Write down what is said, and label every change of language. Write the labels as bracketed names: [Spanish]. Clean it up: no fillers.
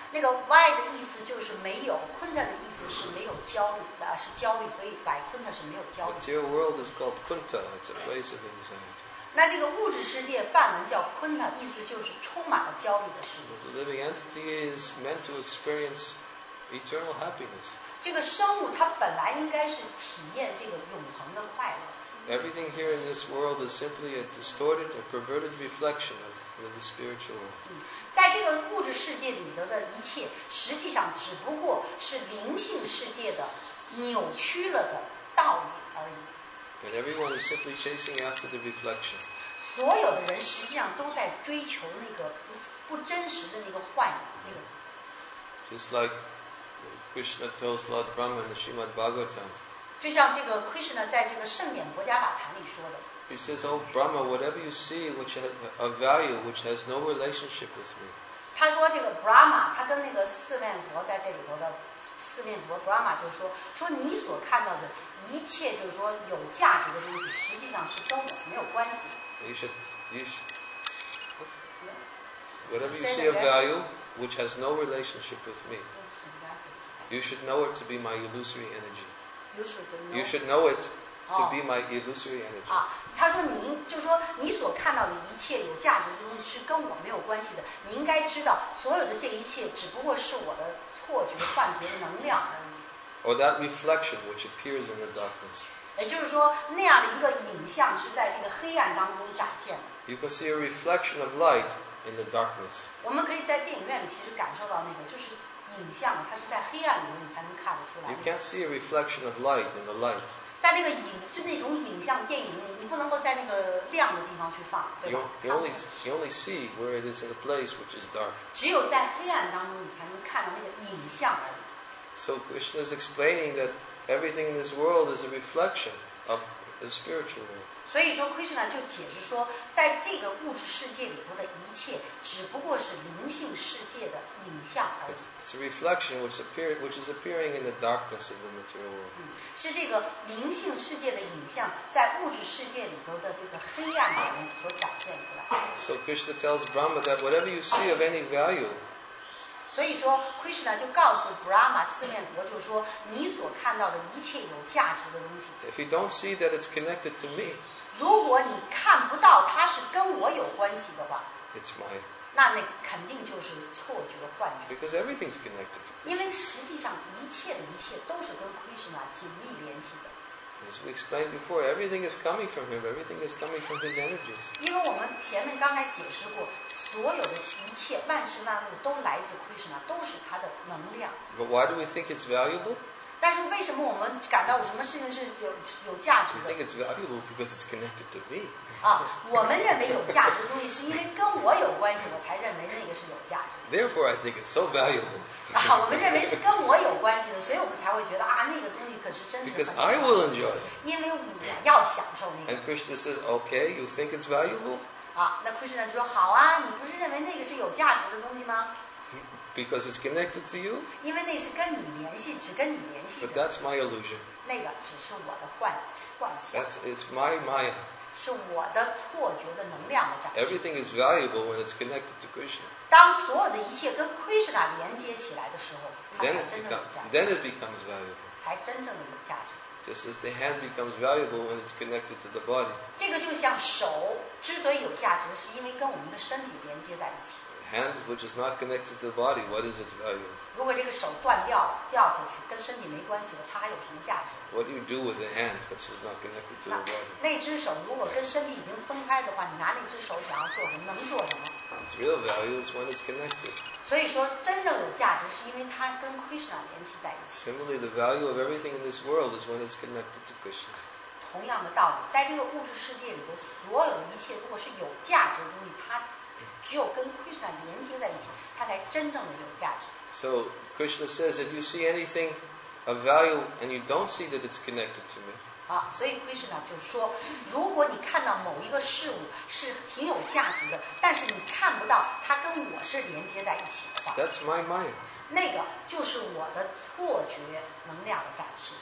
[Chinese] 那个 why 的意思就是没有，坤的意思是没有焦虑，是焦虑，所以百坤的是没有焦虑。 [English] The material world is called kunta, it's a place of anxiety. [Chinese] 那这个物质世界梵文叫坤的，意思就是充满了焦虑的世界。 [English] The living entity is meant to experience eternal happiness. [Chinese] 这个生物它本来应该是体验这个永恒的快乐。 [English] Everything here in this world is simply a distorted, a perverted reflection of the spiritual world. [Chinese] 在这个物质世界里头的一切，实际上只不过是灵性世界的扭曲了的倒影而已。 [English] And everyone is simply chasing after the reflection. [Chinese] 所有的人实际上都在追求那个不真实的那个幻影，那个。 [English] Just like Krishna tells Lord Brahma in the Srimad Bhagavatam. [Chinese] 就像这个 Krishna 在这个圣眼薄伽瓦坛里说的 [English] ，He says, "Oh Brahma, whatever you see, which has a value which has no relationship with me." [Chinese] 他说这个 Brahma， 他跟那个四面佛在这里头的四面佛 Brahma 就说，说你所看到的一切，就是说有价值的东西，实际上是跟我没有关系。 [English] You should. Whatever you see of value which has no relationship with me, you should know it to be my illusory energy. You should know it to be my illusory energy. [Chinese] 他说您就说你所看到的一切有价值的东西是跟我没有关系的。你应该知道，所有的这一切只不过是我的错觉、幻觉、能量而已。 [English] Or that reflection which appears in the darkness. [Chinese] 也就是说，那样的一个影像是在这个黑暗当中展现的。 [English] You can see a reflection of light in the darkness. [Chinese] 我们可以在电影院里其实感受到那个，就是。影像，它是在黑暗里你才能看得出来。 [English] You can't see a reflection of light in the light. [Chinese] 在那个影，就那种影像电影里，你不能够在那个亮的地方去放，对吧 [English] you only see where it is in a place which is dark. [Chinese] 只有在黑暗当中，你才能看到那个影像而已。 [English] So Krishna is explaining that everything in this world is a reflection of the spiritual world. [Chinese] 所以说 ，Krishna 就解释说，在这个物质世界里头的一切，只不过是灵性世界的。 [English] It's a reflection which is appearing in the darkness of the material world. [Chinese] 是这个灵性世界的影像在物质世界里头的这个黑暗里面所展现出来。 [English] So Krishna tells Brahma that whatever you see of any value. [Chinese] 所以说 ，Krishna 就告诉 Brahma 四面佛，就说你所看到的一切有价值的东西。 [English] If you don't see that it's connected to me. [Chinese] 如果你看不到它是跟我有关系的话。 [English] It's my. [Chinese] 那肯定就是错觉幻觉。 [English] Because everything's connected. [Chinese] 因为实际上一切的一切都是跟 Krishna 紧密联系的。 [English] As we explained before, everything is coming from him. Everything is coming from his energies. Because we [Chinese] 们前面刚才解释过，所有的一切万事万物都来自 Krishna， 都是他的能量。 [English] But why do we think it's valuable？ [Chinese] 但是为什么我们感到什么事情是有价值的 [English] ？We think it's valuable because it's connected to me. [Chinese] 啊，我们认为有价值的东西是因为跟我有关系，我才认为那个是有价值的。 [English] Therefore, I think it's so valuable. [Chinese] 啊，我们认为是跟我有关系的，所以我们才会觉得啊，那个东西可是真的。 [English] Because I will enjoy it. [Chinese] 因为我要享受那个。 [English] And Krishna says, "Okay, you think it's valuable?" [Chinese] 啊，那 Krishna 就说好啊，你不是认为那个是有价值的东西吗？ [English] Because it's connected to you. [Chinese] 因为那是跟你联系，只跟你联系。 [English] But that's my illusion. [Chinese] 那个只是我的幻想。 [English] That's it's my Maya. [Chinese] 是我的错觉的能量的展示。 [English] Everything is valuable when it's connected to Krishna. [Chinese] 当所有的一切跟 Krishna 连接起来的时候，它才真正有价值。 [English] Then it becomes valuable. [Chinese] 才真正的有价值。 [English] Just as the hand becomes valuable when it's connected to the body. [Chinese] 这个就像手之所以有价值，是因为跟我们的身体连接在一起。 [English] Hand which is not connected to the body, what is its value? [Chinese] 如果这个手断掉掉下去，跟身体没关系的，它有什么价值？ [English] What do you do with a hand which is not connected to the body? [Chinese] 那只手如果跟身体已经分开的话，你拿那只手想要做什么？能做什么？ [English] Its real value is when it's connected. [Chinese] 所以说，真正有价值是因为它跟 Krishna 联系在一起。 [English] Similarly, the value of everything in this world is when it's connected to Krishna. [Chinese] 同样的道理，在这个物质世界里头，所有一切如果是有价值的东西，它只有跟 Krishna 连接在一起，它才真正的有价值。 [English] So Krishna says, if you see anything of value and you don't see that it's connected to me. [Chinese] 好，所以 Krishna 就说，如果你看到某一个事物是挺有价值的，但是你看不到它跟我是连接在一起的话 [English] ，That's my Maya. [Chinese] 那个就是我的错觉能量的展示。